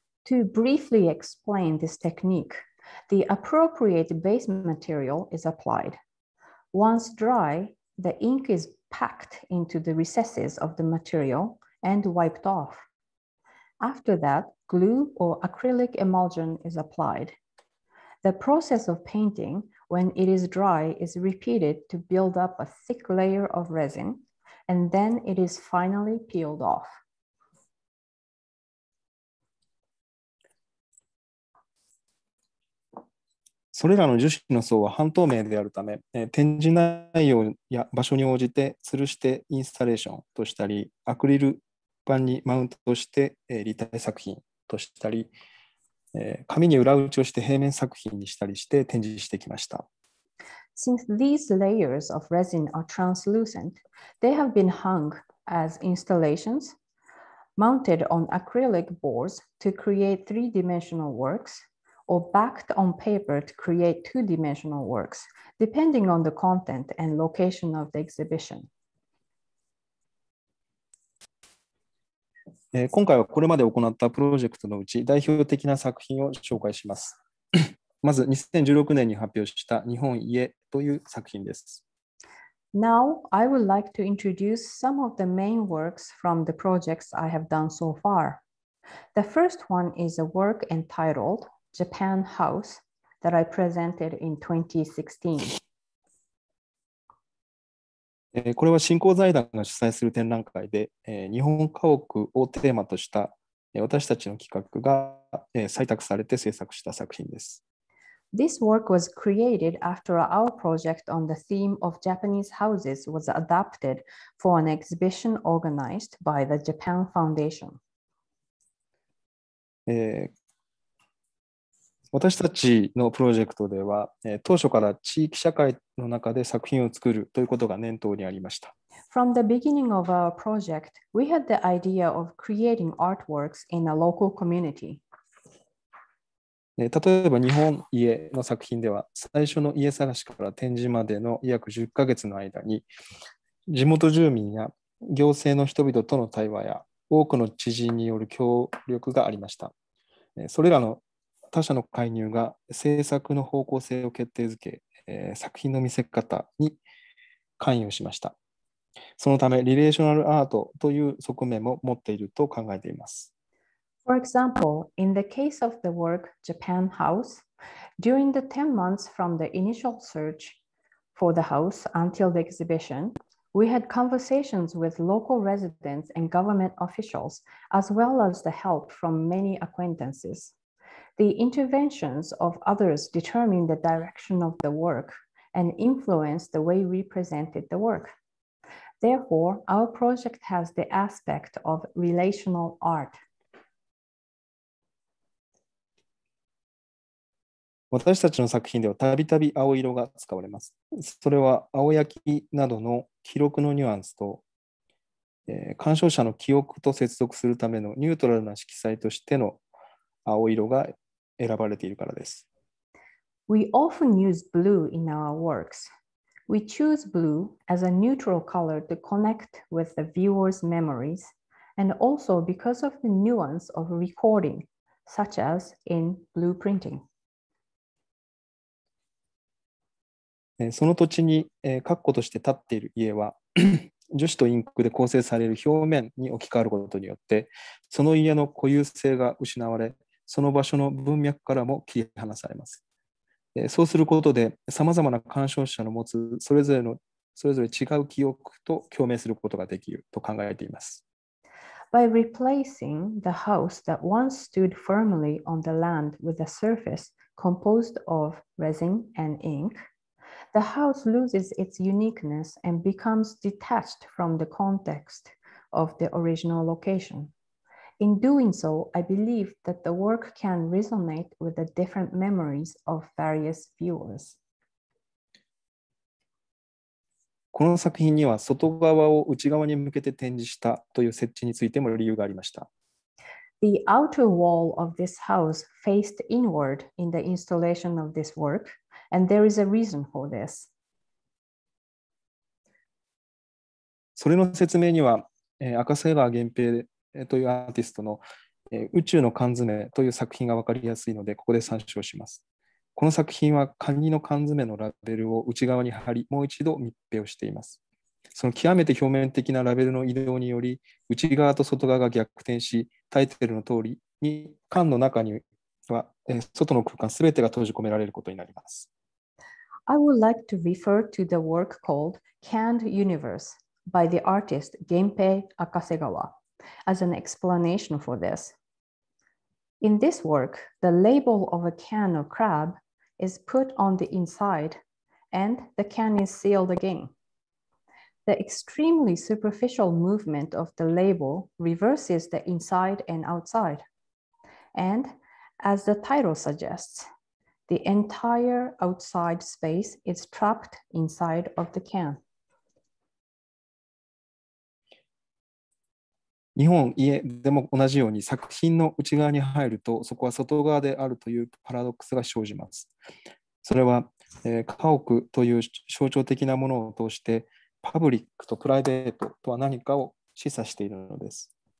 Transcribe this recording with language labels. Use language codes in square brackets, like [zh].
[en] To briefly explain this technique, the appropriate base material is applied. Once dry, the ink is packed into the recesses of the material and wiped off. After that, glue or acrylic emulsion is applied. The process of painting,When it is dry, is repeated to build up a thick layer of resin, and then it is finally peeled off. [ja] それらの樹脂の層は半透明であるため、展示内容や場所に応じて吊るしてインスタレーションとしたり、アクリル板にマウントして立体作品としたり、紙に裏打ちをして平面作品にしたりして展示してきました。 [en] Since these layers of resin are translucent, they have been hung as installations, mounted on acrylic boards to create three-dimensional works, or backed on paper to create two-dimensional works, depending on the content and location of the exhibition. [ja] 今回はこれまで行ったプロジェクトのうち代表的な作品を紹介します。まず2016年に発表した日本家という作品です。 [en] Now, I would like to introduce some of the main works from the projects I have done so far. The first one is a work entitled Japan House that I presented in 2016. [ja] これは振興財団が主催する展覧会で、日本家屋をテーマとした私たちの企画が採択されて制作した作品です。 [en] This work was created after our project on the theme of Japanese houses was adapted for an exhibition organized by the Japan Foundation. [ja] 私たちのプロジェクトでは、当初から地域社会の中で作品を作るということが念頭にありました。 [en] From the beginning of our project, we had the idea of creating artworks in a local community. [ja] 例えば日本家の作品では、最初の家探しから展示までの約10ヶ月の間に、地元住民や行政の人々との対話や、多くの知人による協力がありました。それらの他者の介入が制作の方向性を決定づけ、作品の見せ方に関与しました。そのため、リレーショナルアートという側面も持っていると考えています。 [en] For example, in the case of the work Japan House, during the 10 months from the initial search for the house until the exhibition, we had conversations with local residents and government officials, as well as the help from many acquaintances. the interventions of others determine the direction of the work and influence the way we presented the work. Therefore, our project has the aspect of relational art. [ja] 私たちの作品ではたびたび青色が使われます。それは青焼きなどの記録のニュアンスと、鑑賞者の記憶と接続するためのニュートラルな色彩としての青色が選ばれているからです。 [en] We often use blue in our works. We choose blue as a neutral color to connect with the viewer's memories and also because of the nuance of recording, such as in blue printing. [ja] その土地に括弧として立っている家は樹脂とインクで構成される表面に置き換わることによってその家の固有性が失われその場所の文脈からも切り離されます。そうすることでさまざまな鑑賞者の持つそれぞれ違う記憶と共鳴することができると考えています。 [en] By replacing the house that once stood firmly on the land with a surface composed of resin and inkThe house loses its uniqueness and becomes detached from the context of the original location. In doing so, I believe that the work can resonate with the different memories of various viewers. [ja] この作品には外側を内側に向けて展示したという設置についても理由がありました。 [en] The outer wall of this house faced inward in the installation of this work. And there is a reason for this. [ja] それの説明には、赤瀬川源平というアーティストの、宇宙の缶詰という作品が分かりやすいので、ここで参照します。この作品はカニの缶詰のラベルを内側に貼り、もう一度密閉をしています。その極めて表面的なラベルの移動により、内側と外側が逆転し、タイトルの通りに缶の中には外の空間すべてが閉じ込められることになります。 [en] I would like to refer to the work called Canned Universe by the artist Genpei Akasegawa as an explanation for this. In this work, the label of a can of crab is put on the inside and the can is sealed again. The extremely superficial movement of the label reverses the inside and outside. And... As the title suggests, the entire outside space is trapped inside of the can. [ja] 日本家でも同じように作品の内側に入るとそこは外側であるというパラドックスが生じます。それは、家屋という象徴的なものを通してパブリックとプライベートとは何かを示唆しているのです。